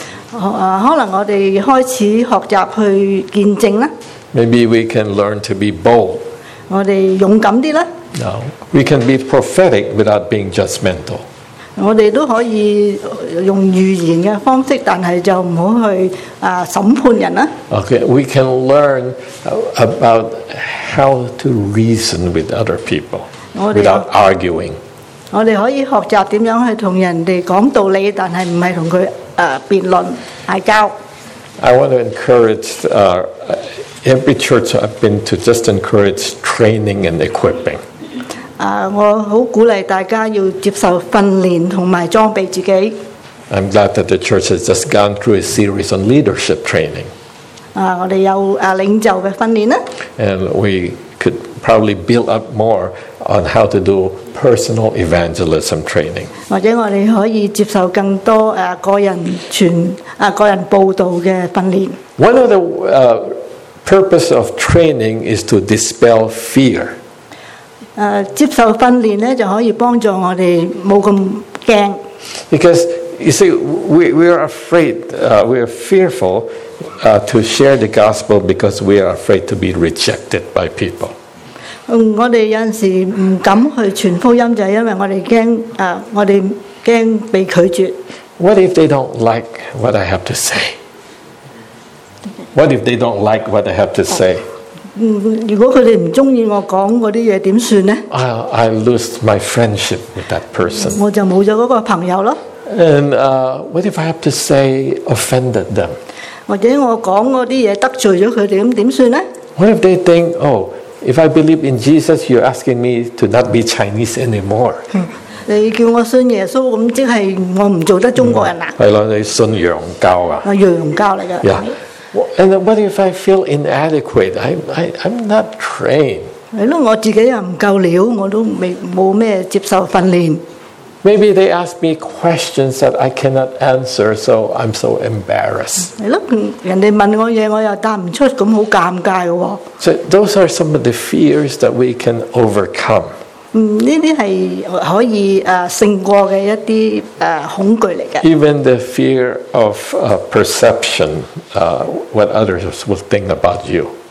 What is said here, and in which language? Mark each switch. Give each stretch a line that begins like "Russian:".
Cantonese: 可能我哋開始學習去見證啦。
English: Maybe we can learn to be bold.
Cantonese: 我哋勇敢啲啦。
English: No, we can be prophetic without being judgmental.
Cantonese: 我哋都可以用預言嘅方式，但係就唔好去審判人啦。
English: Okay, we can learn about how to reason with other people without arguing.
Cantonese: 我哋可以學習點樣去同人哋講道理，但係唔係同佢辯論嗌交。
English: I want to encourage every church I've been to just encourage training and equipping.
Cantonese: 我好鼓勵大家要接受訓練同埋裝備自己。
English: I'm glad that the church has just gone through a series on leadership training.
Cantonese: 我哋有領袖嘅訓練啦。
English: And we could probably build up more on how to do personal evangelism training.
Cantonese: 或者我哋可以接受更多個人報道嘅訓練。
English: One of the purpose of training is to dispel fear.
Cantonese: 接受訓練咧就可以幫助我哋冇咁驚。
English: Because you see, we are afraid, we are fearful to share the gospel because we are afraid to be rejected by people.
Cantonese: 我哋有陣時唔敢去傳福音，就係因為我哋驚我哋驚被拒絕。
English: What if they don't like what I have to say? What if they don't like what I have to say?
Cantonese: 如果佢哋唔中意我講嗰啲嘢點算咧？
English: I lose my friendship with that person.
Cantonese: 我就冇咗嗰個朋友咯。
English: And what if I have to say offended them?
Cantonese: 或者我講嗰啲嘢得罪咗佢哋，咁點算咧？
English: What if they think, oh, if I believe in Jesus, you're asking me to not be Chinese anymore?
Cantonese: 你叫我信耶穌，咁即係我唔做得中國人啦。係咯，你信洋教啊？洋教嚟嘅。
English: Yeah. And what if I feel inadequate? I'm not trained.
Cantonese: 我自己又唔夠料，我都冇咩接受訓練。
English: Maybe they ask me questions that I cannot answer, so I'm so embarrassed.
Cantonese: 人哋問我嘢，我又答唔出，咁好尷尬嘅喎。
English: So those are some of the fears that we can overcome.
Cantonese: 呢啲係可以勝過嘅一啲恐懼嚟嘅。
English: Even the fear of perception, what others will think about you.